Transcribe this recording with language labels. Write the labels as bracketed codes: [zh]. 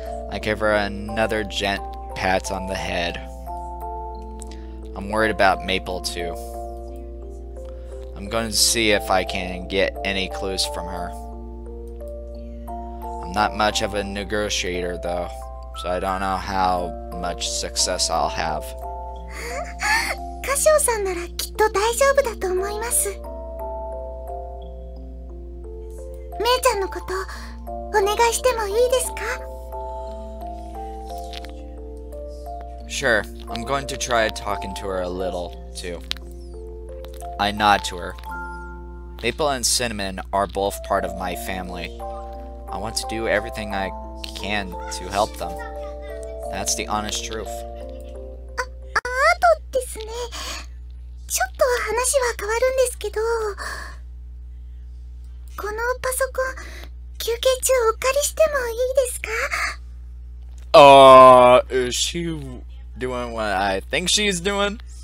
[en] I give her another gent pat on the head. I'm worried about Maple, too. I'm going to see if I can get any clues from her. I'm not much of a negotiator, though, so I don't know how much success I'll have. [ja] Kashio-san ならきっと大丈夫だと思います。めいちゃんのことお願いしてもいいですか? [en] Sure, I'm going to try talking to her a little, too. I nod to her. Maple and cinnamon are both part of my family. I want to do everything I can to help them. That's the honest truth. [ja] あとですね。ちょっと話は変わるんですけど、 このパソコン休憩中お借りしてもいいですか？ [en] Is she doing what I think she's doing?